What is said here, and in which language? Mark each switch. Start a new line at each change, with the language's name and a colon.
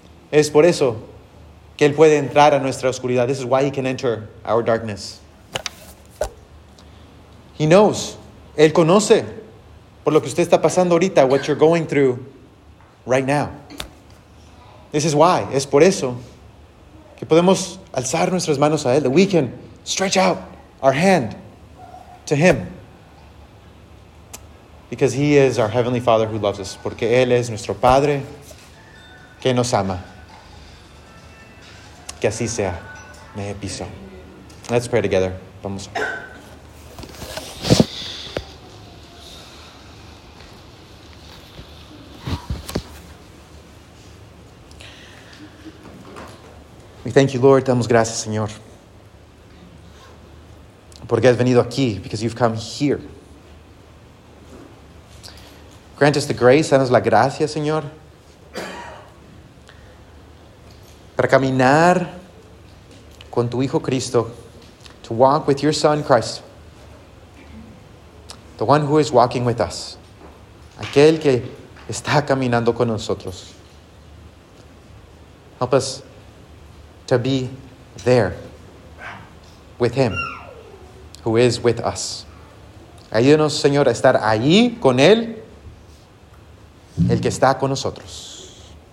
Spanish: Es por eso que él puede entrar a nuestra oscuridad.
English: This is why he can enter our darkness. He knows.
Spanish: Él conoce por lo que usted está pasando ahorita,
English: what you're going through right now. This is why.
Spanish: Es por eso que podemos alzar nuestras manos a él.
English: That we can stretch out our hand to him. Because he is our Heavenly Father who loves us.
Spanish: Porque él es nuestro Padre que nos ama. Que así sea. Me piso.
English: Let's pray together.
Spanish: Vamos.
English: We thank you, Lord.
Spanish: Damos gracias, Señor. Porque has venido aquí.
English: Because you've come here. Grant us the grace,
Spanish: danos la gracia, Señor, para caminar con tu Hijo Cristo,
English: to walk with your Son Christ, the one who is walking with us,
Spanish: aquel que está caminando con nosotros.
English: Help us to be there with him who is with us.
Spanish: Ayúdanos, Señor, a estar ahí con él, el que está con nosotros.